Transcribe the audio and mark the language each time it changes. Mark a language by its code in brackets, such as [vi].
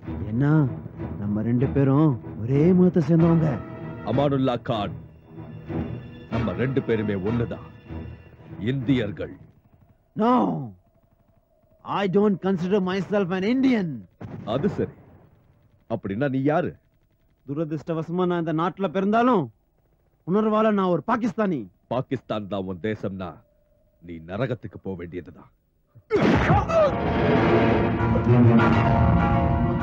[ta] என்ன நம்ம ரெண்டு பேரும் ஒரே மதத்த சேர்ந்தவங்க அமானுல்லா கான் நம்ம ரெண்டு பேருமே ஒண்ணுதான் இந்தியர்கள் [en] No! I don't consider myself an Indian! [ta] அது சரி. அப்படின்னா நீ யாரு? துரதிருஷ்டவசமா நான் இந்த நாட்டுல பிறந்தாலும் உணர்வால நான் ஒரு பாகிஸ்தானி. பாகிஸ்தான் தான் உன் தேசம்னா நீ நரகத்துக்கு போக வேண்டியதுதான்.